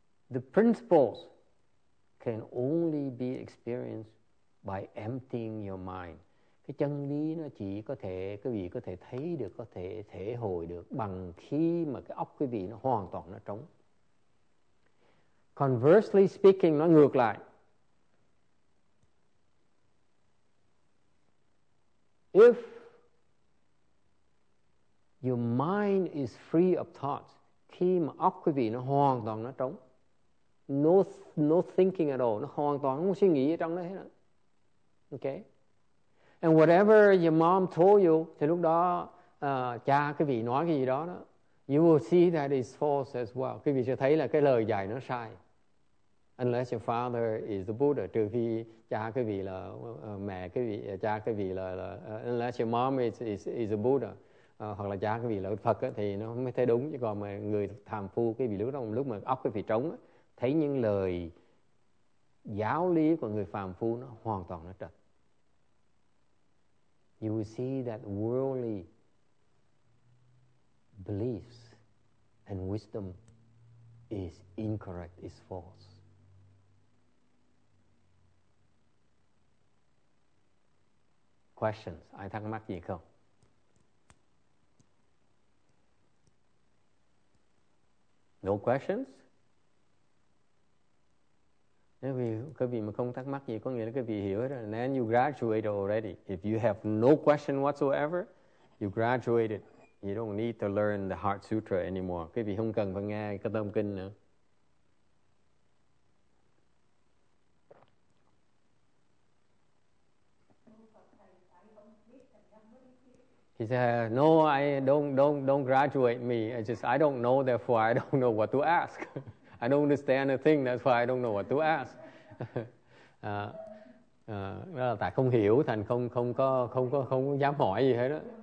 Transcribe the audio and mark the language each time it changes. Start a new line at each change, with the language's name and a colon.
English: The principles can only be experienced by emptying your mind.
Vietnamese: Cái chân lý nó chỉ có thể quý vị có thể thấy được, có thể thể hội được bằng khi mà cái óc quý vị nó hoàn toàn nó trống.
English: Conversely speaking,
Vietnamese: nói ngược lại,
English: if your mind is free of thoughts,
Vietnamese: khi mà óc quý vị nó hoàn toàn nó trống,
English: no thinking at all,
Vietnamese: nó hoàn toàn không suy nghĩ ở trong đó hết. Okay.
English: And whatever your mom told you,
Vietnamese: thì lúc đó cha quý vị nói cái gì đó đó,
English: you will see that it's false as well.
Vietnamese: Quý vị sẽ thấy là cái lời dạy nó sai.
English: Unless your father is the Buddha,
Vietnamese: trừ khi cha quý vị là mẹ quý vị, cha quý vị là
English: unless your mom is the Buddha,
Vietnamese: hoặc là cha quý vị là Phật ấy, thì nó không thấy đúng. Chứ còn mà người tham phu quý vị lúc đó, lúc mà óc quý vị trống ấy, thấy những lời giáo lý của người phàm phu nó hoàn toàn nó trật.
English: You will see that worldly beliefs and wisdom is incorrect, is false. Questions?
Vietnamese: Ai thắc mắc gì không?
English: No questions?
Vietnamese: Nếu quý vị mà không thắc mắc gì, có nghĩa là quý vị hiểu hết rồi.
English: Then you graduated already. If you have no question whatsoever, you graduated. You don't need to learn the Heart Sutra anymore.
Vietnamese: Quý vị không cần phải nghe cái tâm kinh nữa.
English: He said, no, I don't graduate me. I just, I don't know, therefore I don't know what to ask. I don't understand a thing, that's why I don't know what to ask.
Vietnamese: Đó là tại không hiểu thành không dám hỏi gì hết đó.